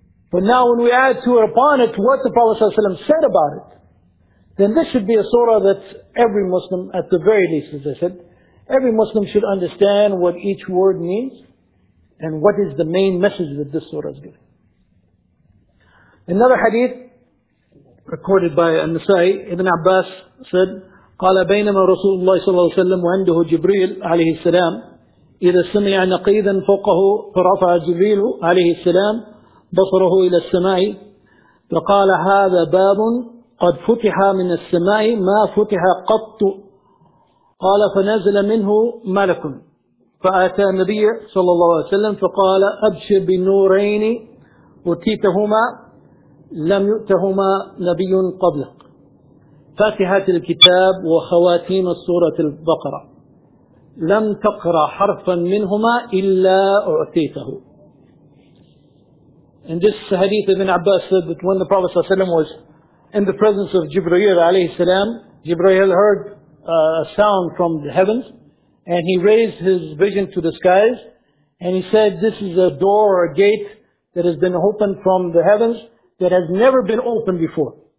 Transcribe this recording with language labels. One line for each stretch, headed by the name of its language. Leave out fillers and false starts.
English: But now when we add to it upon it what the Prophet ﷺ said about it, then this should be a surah that every Muslim, at the very least, as I said, every Muslim should understand what each word means and what is the main message that this surah is giving. Another hadith recorded by An-Nasa'i, Ibn Abbas said,
Arabic: قَالَ بَيْنَمَا رَسُولُ اللَّهِ صَلَّى اللَّهُ وَسَلَّمُ وَعَنْدُهُ جِبْرِيلُ عَلَيْهِ السَّلَامُ إذا سمع نقيضا فوقه فرفع جبريل عليه السلام بصره إلى السماء فقال هذا باب قد فتح من السماء ما فتح قط. قال فنزل منه ملك فأتى النبي صلى الله عليه وسلم فقال أبشر بنورين أتيتهما لم يؤتهما نبي قبلك فاتحة الكتاب وخواتيم سورة البقرة لَمْ تَقْرَ حَرْفًا مِّنْهُمَا إِلَّا أُعْتَيْتَهُ.
English: In this hadith, Ibn Abbas said that when the Prophet ﷺ was in the presence of Jibreel alayhi salam, Jibreel heard a sound from the heavens, and he raised his vision to the skies, and he said, this is a door or a gate that has been opened from the heavens that has never been opened before.